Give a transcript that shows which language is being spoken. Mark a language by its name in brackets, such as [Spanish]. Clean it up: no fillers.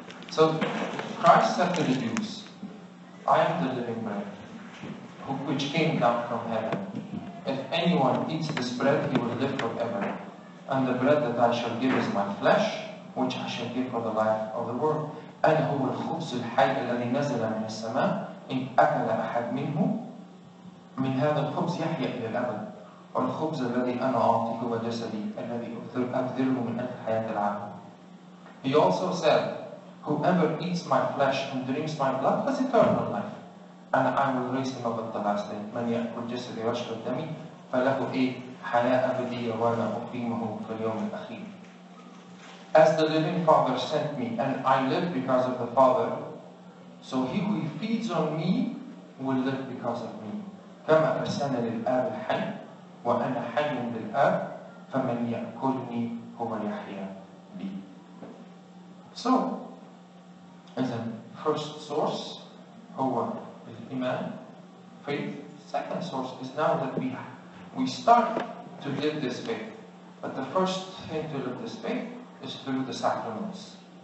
[English] So Christ said to the Jews, I am the living bread which came down from heaven. If anyone eats this bread, he will live forever. And the bread that I shall give is my flesh, which I shall give for the life of the world. [Arabic] أنا هو الخبز الحي الذي نزل من السماء، إن أكل أحد منه من هذا الخبز يحيا إلى الأبد، والخبز الذي أنا أعطي هو جسدي الذي أبذله من أجل حياة العالم. [English] He also said, whoever eats my flesh and drinks my blood has eternal life, and I will raise him up at the last day. [Arabic] من يأكل جسدي ويشرب دمي فله حياة أبدية وأنا أقيمه في اليوم الأخير. [English] As the living Father sent me, and I live because of the Father, so he who feeds on me will live because of me. [Arabic] كما أرسلني الآب الحي وأنا حي بالآب فمن يأكلني هو يحيى بي. [English] So, as a first source, [Arabic] هو الإيمان, [English] faith. Second source is now that we start to live this faith. But the first thing to live this faith is through the sacraments.